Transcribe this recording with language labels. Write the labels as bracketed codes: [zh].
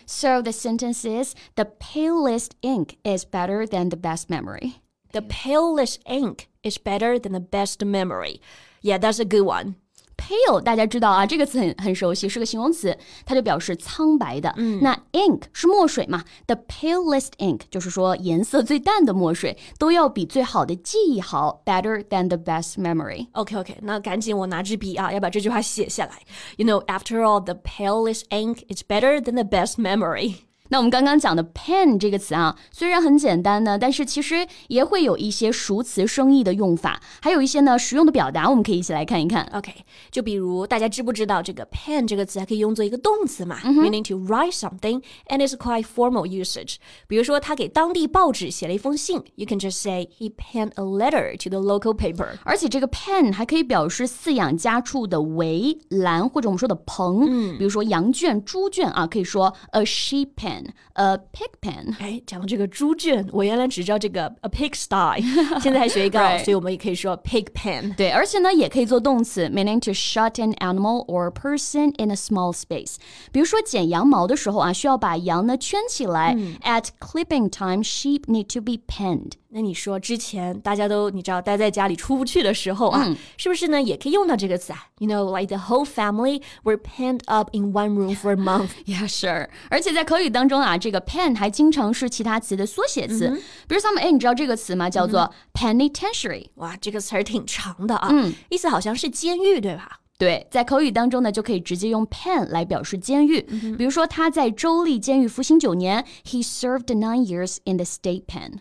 [en] So the sentence is, the palest ink is better than the best memory. The palest ink is better than the best memory. Yeah, that's a good one. [zh] Pale, 大家知道啊，这个词 很熟悉，是个形容词，它就表示苍白的。那 ink 是墨水嘛， the palest ink 就是说颜色最淡的墨水，都要比最好的记忆好， [en] better than the best memory. [zh] OK, 那赶紧我拿支笔啊，要把这句话写下来。 [en] You know, after all, the palest ink is better than the best memory. [zh] 那我们刚刚讲的 pen 这个词啊，虽然很简单呢，但是其实也会有一些熟词生义的用法，还有一些呢实用的表达，我们可以一起来看一看。 OK， 就比如大家知不知道这个 pen 这个词还可以用作一个动词嘛、mm-hmm. [en] ？Meaning to write something and it's quite formal usage. [zh] 比如说他给当地报纸写了一封信 [en] ，You can just say he penned a letter to the local paper. [zh] 而且这个 pen 还可以表示饲养家畜的围栏或者我们说的棚，嗯、比如说羊圈、猪圈啊，可以说 a sheep pen。 [en] A pig pen. [zh] 哎，讲到这个猪圈，我原来只知道这个 a pigsty， 现在还学一个， [en] right. [zh] 所以我们也可以说 pig pen。对，而且呢，也可以做动词 [en] ，meaning to shut an animal or person in a small space。 [zh] 比如说剪羊毛的时候啊，需要把羊呢圈起来。嗯、 [en] At clipping time, sheep need to be penned。 [zh] 那你说之前大家都你知道待在家里出不去的时候啊、嗯、是不是呢也可以用到这个词啊 [en] You know, like the whole family were penned up in one room for a month. Yeah, sure. [zh] 而且在口语当中啊这个 pen 还经常是其他词的缩写词。 Mm-hmm. 比如说你知道这个词吗叫做 penitentiary.、 Mm-hmm. 哇这个词儿挺长的啊、嗯、意思好像是监狱对吧对在口语当中呢就可以直接用 pen 来表示监狱、 mm-hmm. 比如说他在州立监狱服刑九年 [en] He served 9 years in the state pen